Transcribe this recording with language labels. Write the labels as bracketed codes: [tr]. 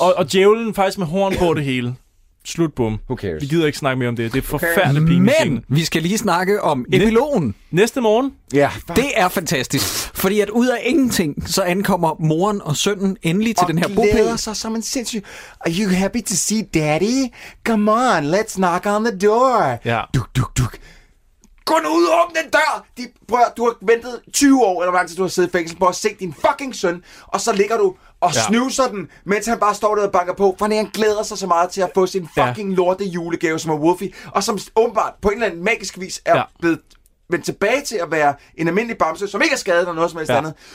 [da] Og djævlen faktisk med horn på det hele. Slut, bum. [en] Who cares? [da] Vi gider ikke snakke mere om det. Det er forfærdeligt pinligt. Men vi skal lige snakke om epilogen. Næste morgen. Ja. Det er fantastisk. Fordi at ud af ingenting, så ankommer moren og sønnen endelig til og den her bopæl. Og glæder sig som en sindssyg. [en] Are you happy to see daddy? Come on, let's knock on the door. [da] Ja. Duk, duk, duk. Gå nu ud og åbne den dør. Du har ventet 20 år, eller hvor lang tid du har siddet i fængsel på at se din fucking søn. Og så ligger du... Og snuser den, mens han bare står der og banker på, for han glæder sig så meget til at få sin fucking lorte julegave, som er Woofy, og som åbenbart på en eller anden magisk vis er blevet vendt tilbage til at være en almindelig bamse, som ikke er skadet eller noget som helst andet.